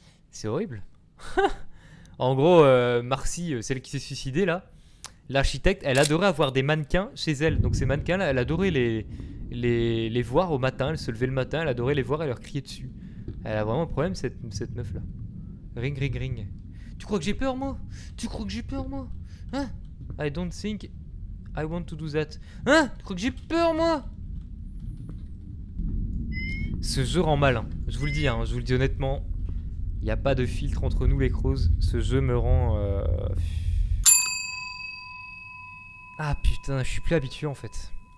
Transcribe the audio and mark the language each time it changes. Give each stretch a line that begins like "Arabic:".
French: C'est horrible. En gros, Marcy, celle qui s'est suicidée là, l'architecte, elle adorait avoir des mannequins chez elle. Donc ces mannequins là, elle adorait les voir au matin. Elle se levait le matin, elle adorait les voir et leur crier dessus. Elle a vraiment un problème cette meuf là. Ring, ring, ring. Tu crois que j'ai peur moi? Tu crois que j'ai peur moi? Hein?
English: I don't think I want to do that.
French: Hein? Tu crois que j'ai peur moi? Ce jeu rend mal. Hein. Je vous le dis, hein, je vous le dis honnêtement. Y a pas de filtre entre nous les crows, ce jeu me rend Ah putain, je suis plus habitué en fait.